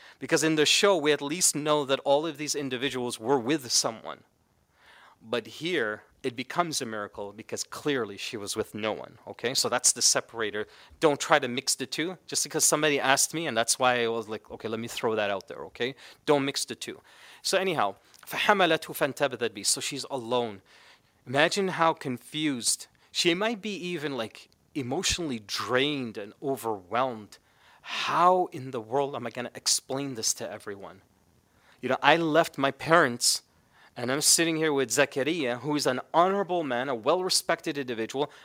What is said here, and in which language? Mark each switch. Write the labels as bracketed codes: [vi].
[en] Because in the show, we at least know that all of these individuals were with someone. But here, it becomes a miracle because clearly she was with no one, okay? So that's the separator. Don't try to mix the two. Just because somebody asked me, and that's why I was like, okay, let me throw that out there, okay? Don't mix the two. So anyhow, [ar] فَحَمَلَتْهُ فَانْتَبَثَتْ بِهِ. [en] So she's alone. Imagine how confused. She might be even like emotionally drained and overwhelmed. How in the world am I going to explain this to everyone? You know, I left my parents and I'm sitting here with Zakaria, who is an honorable man, a well-respected individual.